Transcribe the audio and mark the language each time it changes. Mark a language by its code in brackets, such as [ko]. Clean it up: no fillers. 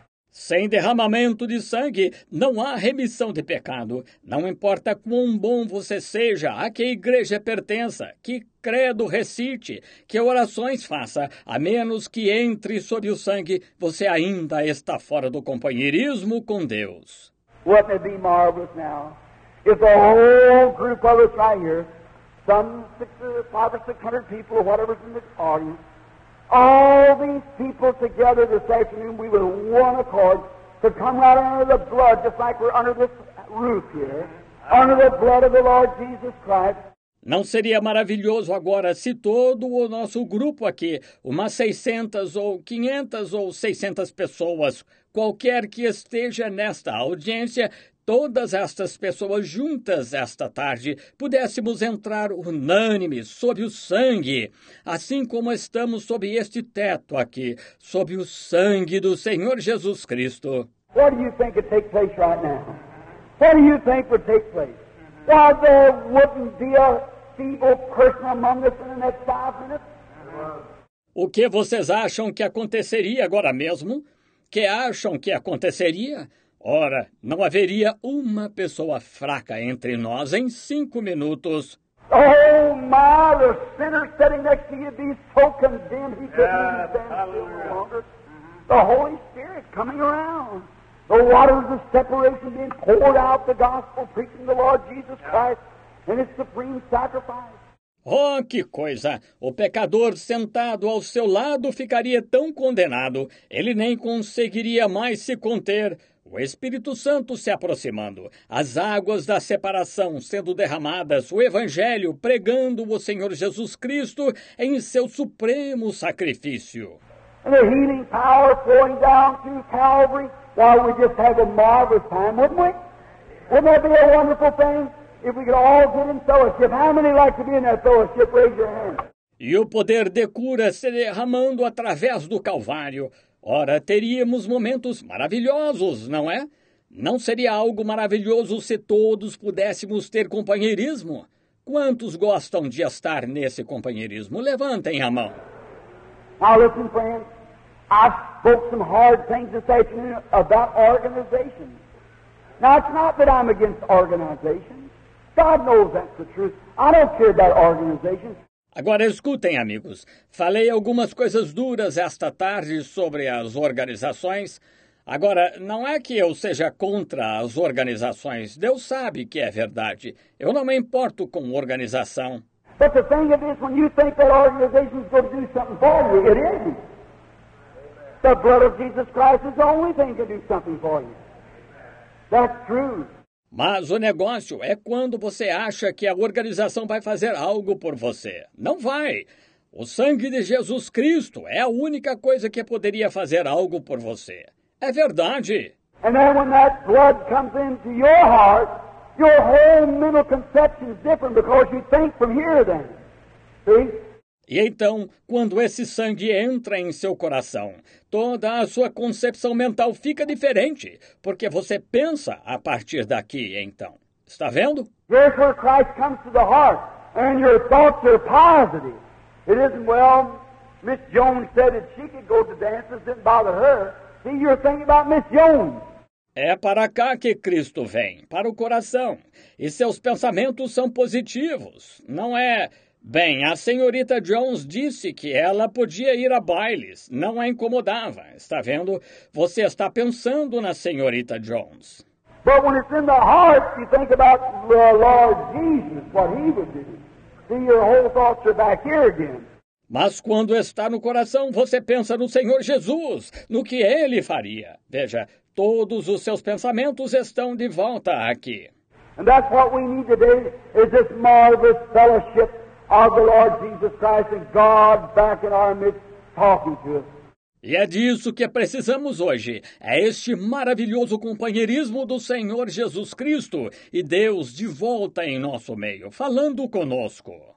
[pt] Sem derramamento de sangue, não há remissão de pecado. Não importa quão bom você seja, a que igreja pertença, que credo recite, que orações faça, a menos que entre sob o sangue, você ainda está fora do companheirismo com Deus. [en] What may be marvelous now, if the whole group of us right here, some 500 or 600 people or whatever's in this audience, all these people together this afternoon, we were one accord to come right under the blood, just like we're under this roof here, under the blood of the Lord Jesus Christ. [pt] Não seria maravilhoso agora se todo o nosso grupo aqui, umas 600 ou 500 ou 600 pessoas, qualquer que esteja nesta audiência, todas estas pessoas juntas esta tarde, pudéssemos entrar unânimes sob o sangue, assim como estamos sob este teto aqui, sob o sangue do Senhor Jesus Cristo. [en] What do you think would take place right now? What do you think would take place? Why, there wouldn't be a feeble person among us in the next 5 minutes. [pt] O que vocês acham que aconteceria agora mesmo? Que acham que aconteceria? Ora, não haveria uma pessoa fraca entre nós em 5 minutos. [en] Oh, my, the sinner sitting next to you be so condemned he couldn't even stand still any longer. The Holy Spirit coming around. The waters of separation being poured out, the gospel preaching the Lord Jesus Christ and his supreme sacrifice. [pt] Oh, que coisa! O pecador sentado ao seu lado ficaria tão condenado, ele nem conseguiria mais se conter. O Espírito Santo se aproximando, as águas da separação sendo derramadas, o Evangelho pregando o Senhor Jesus Cristo em seu supremo sacrifício. [en] E a healing power flowing down through Calvary, well, we just have a marvelous time, wouldn't we? Wouldn't that be a wonderful thing? If we could all get in fellowship, how many like to be in that fellowship? Raise your hand. [pt] E o poder de cura se derramando através do Calvário. Ora, teríamos momentos maravilhosos, não é? Não seria algo maravilhoso se todos pudéssemos ter companheirismo? Quantos gostam de estar nesse companheirismo? Levantem a mão. [en] Now listen, friends. I spoke some hard things this afternoon about organization. Now, it's not that I'm against organization. God knows that's the truth. I don't care about organization. [pt] Agora escutem, amigos. Falei algumas coisas duras esta tarde sobre as organizações. Agora, não é que eu seja contra as organizações. Deus sabe que é verdade. Eu não me importo com organização. [en] But the thing is, when you think that organization is going to do something for you, it isn't. The blood of Jesus Christ is the only thing to do something for you. That's true. [pt] Mas o negócio é quando você acha que a organização vai fazer algo por você. Não vai. O sangue de Jesus Cristo é a única coisa que poderia fazer algo por você. É verdade. [en] And then when that blood comes into your heart, your whole mental conception is different because you think from here then. See? [pt] E então, quando esse sangue entra em seu coração, toda a sua concepção mental fica diferente, porque você pensa a partir daqui, então. Está vendo? [en] Here's where Christ comes to the heart, and your thoughts are positive. It isn't, well, Miss Jones said that she could go to dances, it didn't bother her. See, you're thinking about Miss Jones. [pt] É para cá que Cristo vem, para o coração. E seus pensamentos são positivos, não é... Bem, a senhorita Jones disse que ela podia ir a bailes. Não a incomodava. Está vendo? Você está pensando na senhorita Jones. [en] But when it's in the heart, you think about the Lord Jesus, what he would do. Then your whole thoughts are back here again. [pt] Mas quando está no coração, você pensa no Senhor Jesus, no que ele faria. Veja, todos os seus pensamentos estão de volta aqui. [en] And that's what we need today, is this marvelous fellowship of the Lord Jesus Christ and God back in our midst talking to us. [pt] E é disso que precisamos hoje. É este maravilhoso companheirismo do Senhor Jesus Cristo e Deus de volta em nosso meio, falando conosco.